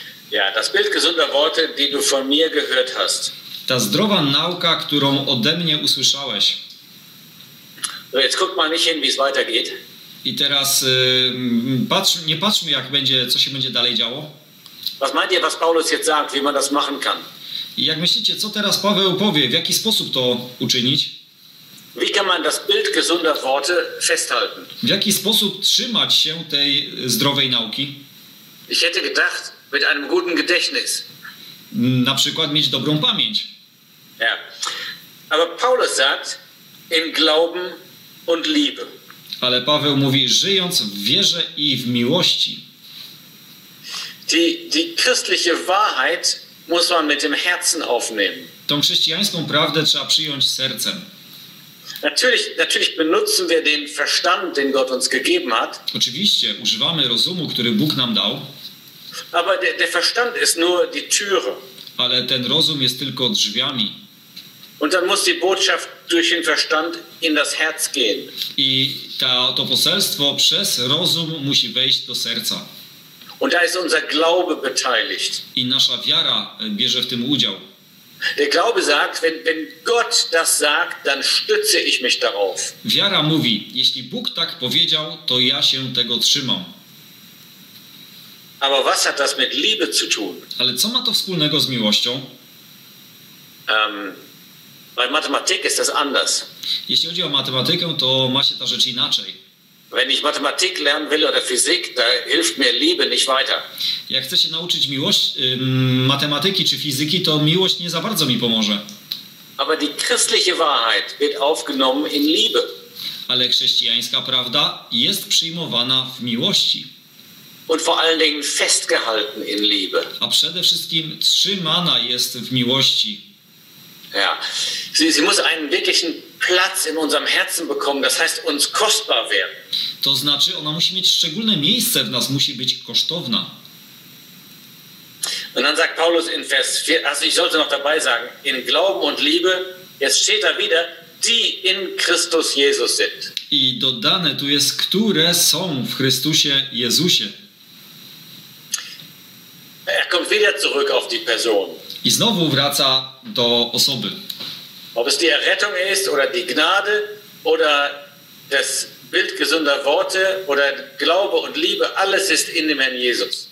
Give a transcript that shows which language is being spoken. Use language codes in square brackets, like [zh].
[de] Ja, das Bild gesunder Worte, die du von mir gehört hast. [pl] Ta zdrowa nauka, którą ode mnie usłyszałeś. [de] No, jetzt guck mal nicht hin, wie es weitergeht. [pl] I teraz nie patrzmy, jak będzie, co się będzie dalej działo. [de] Was meint ihr, was Paulus jetzt sagt, wie man das machen kann? [pl] I jak myślicie, co teraz Paweł powie, w jaki sposób to uczynić? [de] Wie kann man das Bild gesunder Worte festhalten? [pl] W jaki sposób trzymać się tej zdrowej nauki? [de] Ich hätte gedacht, mit einem guten Gedächtnis. [pl] Na przykład mieć dobrą pamięć. [de] Ja. Aber Paulus sagt, im Glauben und Liebe. [pl] Ale Paweł mówi, żyjąc w wierze i w miłości. [de] Die christliche Wahrheit muss man mit dem Herzen aufnehmen. [pl] Tą chrześcijańską prawdę trzeba przyjąć sercem. [de] Natürlich benutzen wir den Verstand, den Gott uns gegeben hat. [pl] Oczywiście używamy rozumu, który Bóg nam dał. [de] Aber der Verstand ist nur die Türe. [pl] Ale ten rozum jest tylko drzwiami. [de] Und dann muss die Botschaft durch den Verstand in das Herz gehen. [pl] I to poselstwo przez rozum musi wejść do serca. [de] Und da ist unser Glaube beteiligt. [pl] I nasza wiara bierze w tym udział. [de] Der Glaube sagt, wenn Gott das sagt, dann stütze ich mich darauf. [pl] Wiara mówi, jeśli Bóg tak powiedział, to ja się tego trzymam. [de] Aber was hat das mit Liebe zu tun? [pl] Ale co ma to wspólnego z miłością? [de] Bei Mathematik ist das anders. [pl] Jeśli chodzi o matematykę, to ma się ta rzecz inaczej. [de] Wenn ich Mathematik lernen will oder Physik, da hilft mir Liebe nicht weiter. [pl] Jak chcę się nauczyć matematyki czy fizyki, to miłość nie za bardzo mi pomoże. [de] Aber die christliche Wahrheit wird aufgenommen in Liebe. [pl] Ale chrześcijańska prawda jest przyjmowana w miłości. [de] Und vor allen Dingen festgehalten in Liebe. [pl] A przede wszystkim trzymana jest w miłości. [de] Ja, sie muss einen wirklichen Platz in unserem Herzen bekommen, das heißt uns kostbar werden. [pl] To znaczy, ona musi mieć szczególne miejsce w nas, musi być kosztowna. [de] Und dann sagt Paulus in Vers 4, also ich sollte noch dabei sagen, in Glauben und Liebe, jetzt steht da wieder, die in Christus Jesus sind. [pl] I dodane tu jest, które są w Chrystusie Jezusie. [de] Er kommt wieder zurück auf die Person. [pl] I znowu wraca do osoby. [de] Ob es die Errettung ist oder die Gnade oder das Bild gesunder Worte oder Glaube und Liebe, alles ist in dem Herrn Jesus.